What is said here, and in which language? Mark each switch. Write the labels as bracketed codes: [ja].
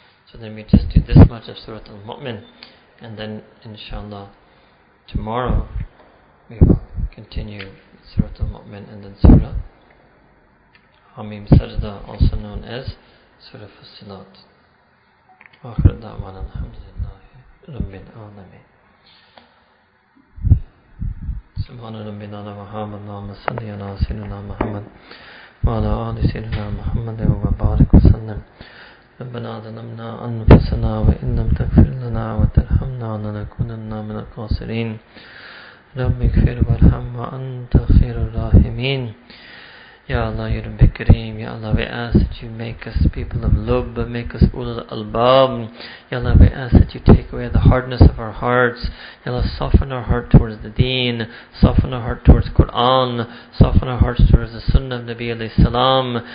[en] So then we just do this much of Surah Al-Mu'min. And then inshallah tomorrow we will continue Surah Al-Mu'min and then Surah Hamim Sajda, also known as Surah Fussilat. [ar] وآخر دعوانا الحمد لله رب العالمين سبحان ربنا وبحمده اللهم صل على سيدنا محمد وعلى آل سيدنا محمد وبارك وسلم ربنا ظلمنا أنفسنا وإن لم تغفر لنا وترحمنا لنكونن من الخاسرين رب اغفر وارحم وأنت خير الراحمين يا [en] Ya Allah, Ya Rabbi Kareem, Ya Allah, we ask that you make us people of lub, make us ulul albab. Ya Allah, we ask that you take away the hardness of our hearts. Ya Allah, soften our heart towards the deen, soften our heart towards Quran, soften our hearts towards the sunnah of Nabi alayhi salam.